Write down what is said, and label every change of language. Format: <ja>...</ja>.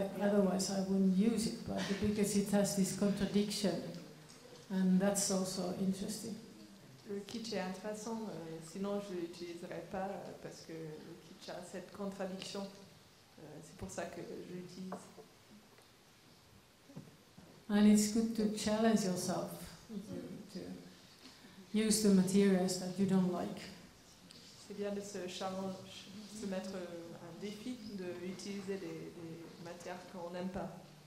<en>Otherwise, I wouldn't use it, but because it has this contradiction, and that's also interesting.</en> <fr>Le kitsch est intéressant. Sinon, je l'utiliserais pas parce que le kitsch a cette contradiction. C'est pour ça que je l'utilise.</fr> <en>And it's good to challenge yourself. To use the materials that you don't like.</en> <fr>C'est bien de se mettre un défi de utiliser des matières qu'on n'aime pas.</fr>